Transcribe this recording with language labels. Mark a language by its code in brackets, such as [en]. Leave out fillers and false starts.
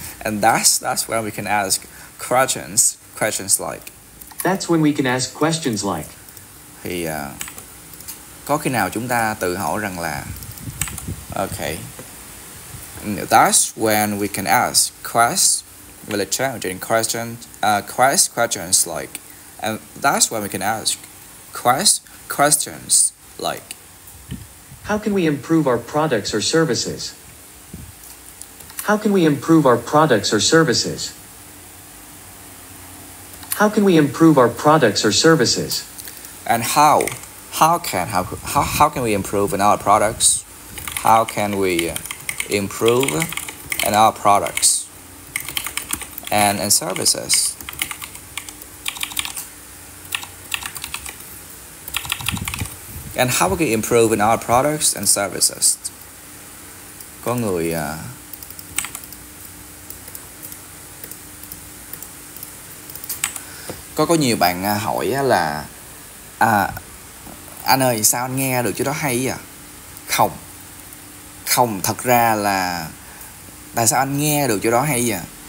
[en] And that's when we can ask questions like. That's when we can ask questions like. [vi] Có khi nào chúng ta tự hỏi rằng là Okay. [en] That's when we can ask questions like, and that's when we can ask questions like, how can we improve our products or services? How can we improve our products or services? How can we improve our products or services? And how can we improve in our products? How can we improve in our products and services? And how can we improve in our products and services? [vi] Có người có nhiều bạn hỏi là anh ơi sao anh nghe được chỗ đó hay vậy? Không, thật ra là tại sao anh nghe được chỗ đó hay vậy?